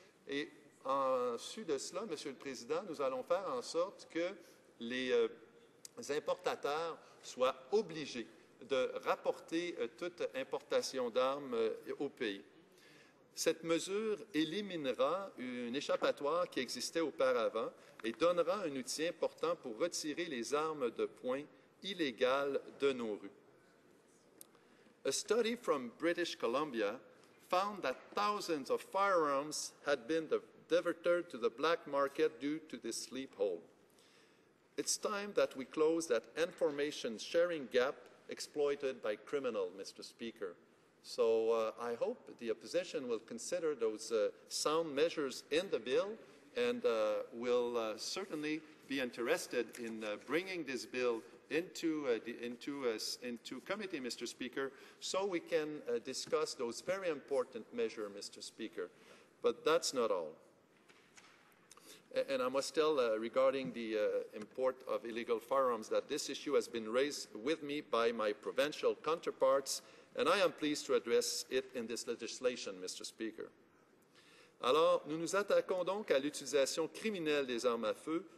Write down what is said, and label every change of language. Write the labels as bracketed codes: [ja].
[fr] Et en su de cela, Monsieur le Président, nous allons faire en sorte que les importateurs soient obligés de rapporter toute importation d'armes au pays. Cette mesure éliminera une échappatoire qui existait auparavant et donnera un outil important pour retirer les armes de poing illégales de nos rues. [en] A study from British Columbia found that thousands of firearms had been diverted to the black market due to this loophole. It's time that we close that information sharing gap exploited by criminals, Mr. Speaker. So I hope the opposition will consider those sound measures in the bill and will certainly be interested in bringing this bill into committee, Mr. Speaker, so we can discuss those very important measures, Mr. Speaker. But that's not all. And I must tell regarding the import of illegal firearms that this issue has been raised with me by my provincial counterparts, and I am pleased to address it in this legislation, Mr. [fr] Speaker. Alors, nous nous attaquons donc à l'utilisation criminelle des armes à feu